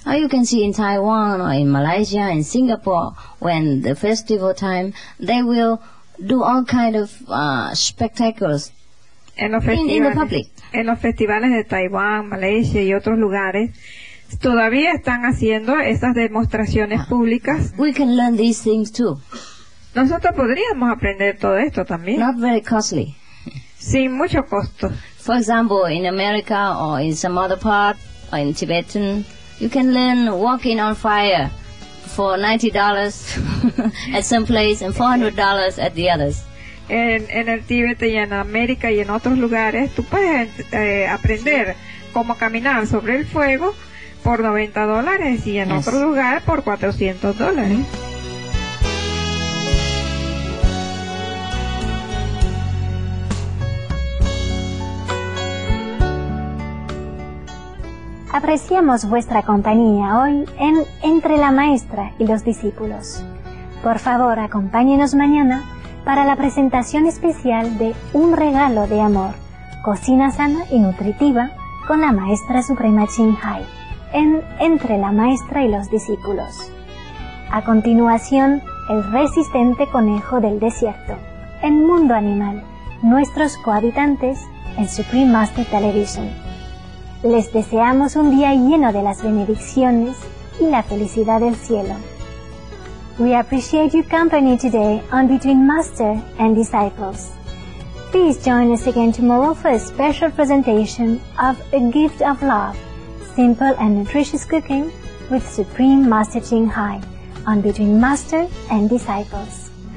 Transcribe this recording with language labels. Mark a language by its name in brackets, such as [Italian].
[English] Or you can see in Taiwan or in Malaysia and Singapore when the festival time, they will do all kind of spectacles in the public. [Spanish] En los festivales de Taiwán, Malaysia y otros lugares, todavía están haciendo esas demostraciones públicas. [English] We can learn these things too. [Spanish] Nosotros podríamos aprender todo esto también. [English] Not very costly. [Spanish] Sin mucho costo. [English] For example, in America or in some other part, or in Tibetan, you can learn walking on fire for $90 at some place and $400 at the others. [Spanish] En el Tíbet y en América y en otros lugares, tú puedes aprender cómo caminar sobre el fuego por $90 y en otro lugar por $400. Apreciamos vuestra compañía hoy en Entre la Maestra y los Discípulos. Por favor, acompáñenos mañana para la presentación especial de Un Regalo de Amor, Cocina Sana y Nutritiva con la Maestra Suprema Ching Hai, en Entre la Maestra y los Discípulos. A continuación, El Resistente Conejo del Desierto, en Mundo Animal, Nuestros Cohabitantes, en Supreme Master Television. Les deseamos un día lleno de las bendiciones y la felicidad del cielo. [English] We appreciate your company today on Between Master and Disciples. Please join us again tomorrow for a special presentation of A Gift of Love, Simple and Nutritious Cooking with Supreme Master Ching Hai on Between Master and Disciples.